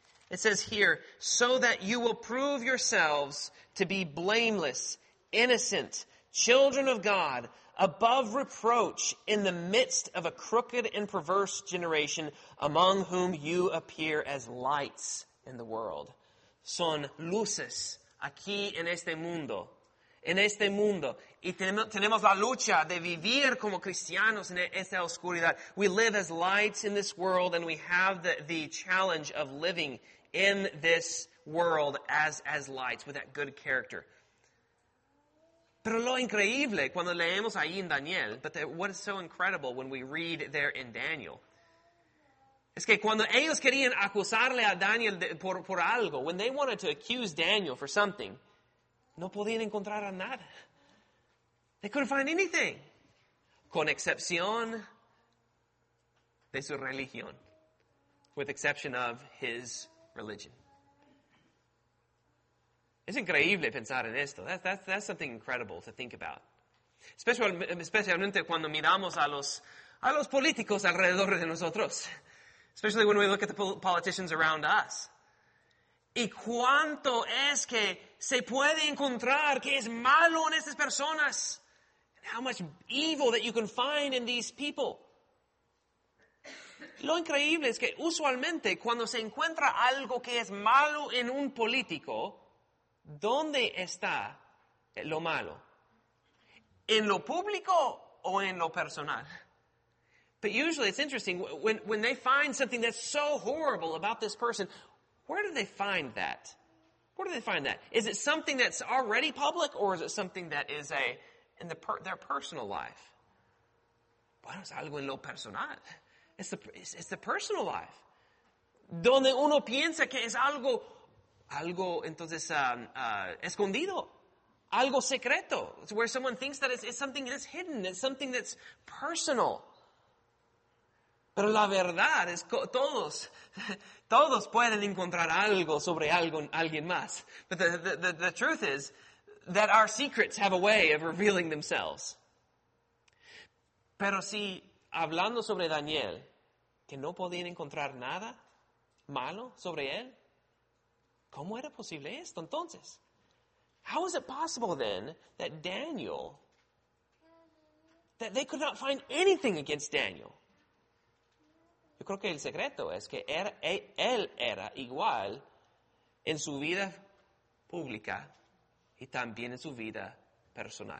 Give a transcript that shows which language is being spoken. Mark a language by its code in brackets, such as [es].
[en] It says here, so that you will prove yourselves to be blameless, innocent, children of God, above reproach in the midst of a crooked and perverse generation among whom you appear as lights in the world. [es] Son luces aquí en este mundo. En este mundo. Y tenemos la lucha de vivir como cristianos en esta oscuridad. [en] We live as lights in this world and we have the challenge of living in this world as lights with that good character. [es] Pero lo increíble cuando leemos ahí en Daniel, [en] but what is so incredible when we read there in Daniel, [es] es que cuando ellos querían acusarle a Daniel por algo, [en] when they wanted to accuse Daniel for something, [es] no podían encontrar a nada. [en] They couldn't find anything. [es] Con excepción de su religión. [en] With exception of his religion. [es] Es increíble pensar en esto. [en] That's something incredible to think about. [es] Especialmente cuando miramos a los políticos alrededor de nosotros. [en] Especially when we look at the politicians around us. [es] ¿Y cuánto es que se puede encontrar que es malo en estas personas? [en] How much evil that you can find in these people. [es] Lo increíble es que usualmente cuando se encuentra algo que es malo en un político, ¿dónde está lo malo? ¿En lo público o en lo personal? [en] But usually it's interesting, when they find something that's so horrible about this person, where do they find that? Where do they find that? Is it something that's already public or is it something that is in their personal life? [es] Bueno, es algo en lo personal. [en] It's the personal life. [es] Donde uno piensa que es algo entonces escondido, algo secreto. [en] It's where someone thinks that it's something that's hidden, it's something that's personal. [es] Pero la verdad es que todos pueden encontrar algo sobre algo, alguien más. [en] But the truth is that our secrets have a way of revealing themselves. [es] Pero si hablando sobre Daniel, que no podían encontrar nada malo sobre él, ¿cómo era posible esto entonces? [en] How is it possible then that Daniel, that they could not find anything against Daniel? [es] Yo creo que el secreto es que él era igual en su vida pública y también en su vida personal.